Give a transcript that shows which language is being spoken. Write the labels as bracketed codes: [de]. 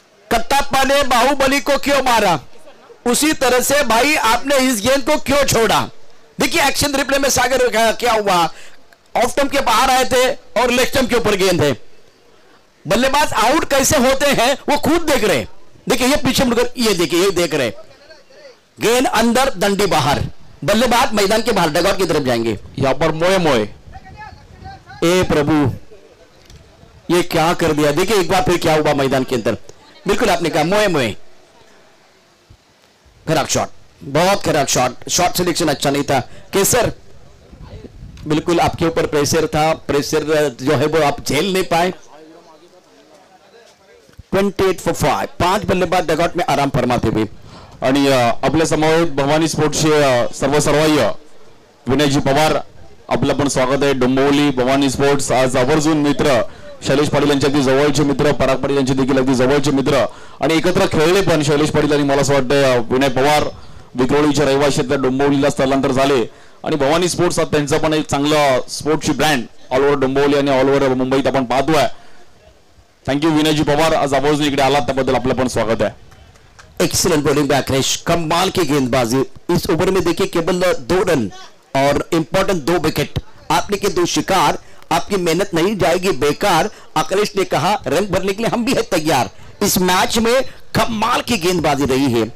[hi] कत्तापा ने बाहुबली को क्यों मारा, उसी तरह से भाई आपने इस गेंद को क्यों छोड़ा. देखिए एक्शन रिप्ले में सागर क्या हुआ. ऑफ स्टंप के बाहर आए थे और लेग स्टंप के ऊपर गेंद है. बल्लेबाज आउट कैसे होते हैं वो खुद देख रहे. देखिए ये पीछे मुड़कर ये देखिए ये देख रहे. गेंद अंदर दंडी बाहर. बल्लेबाज मैदान के बाहर डगआउट की तरफ जाएंगे. यहां पर मोए मोए. ए प्रभु ये क्या कर दिया. देखिए एक बार फिर क्या हुआ मैदान के अंदर. बिल्कुल आपने कहा मोए मोए. खराब शॉट, बहुत खराब शॉट. शॉट सिलेक्शन अच्छा नहीं था. केसर बिल्कुल आपके ऊपर प्रेशर था. प्रेशर जो है वो आप झेल नहीं पाए. [en] 28 for 5. पांच बल्लेबाज dugout में आराम फरमाते हुए. [mr] आणि आपल्या समोर भवानी स्पोर्ट्स चे सर्वसर्वाय विनयजी पवार आपलं पण स्वागत आहे. डोंबिवली भवानी स्पोर्ट्स आज आवर्जून मित्र शैलेश पाटील यांच्या अगदी जवळचे मित्र, पराग पाटील यांचे देखील अगदी जवळचे मित्र आणि एकत्र खेळले पण शैलेश पाटील आणि मला असं वाटतं विनय पवार विक्रोळीच्या रहिवाशी आता डोंबिवलीला स्थलांतर झाले आणि भवानी स्पोर्ट्स आता त्यांचा पण एक चांगला स्पोर्ट्सची ब्रँड ऑल ओव्हर डोंबिवली आणि ऑल ओव्हर मुंबईत आपण पाहतोय. थँक्यू विनयजी पवार, आज आवर्जून इकडे आला त्याबद्दल आपलं पण स्वागत आहे. [en] Excellent bowling by Akhilesh. [hi] कमाल की गेंदबाजी. इस ओवर में देखिए केवल दो रन और इम्पोर्टेंट दो विकेट. आपने के दो शिकार, आपकी मेहनत नहीं जाएगी बेकार. अखिलेश ने कहा रन भरने के लिए हम भी है तैयार. इस मैच में कमाल की गेंदबाजी रही है.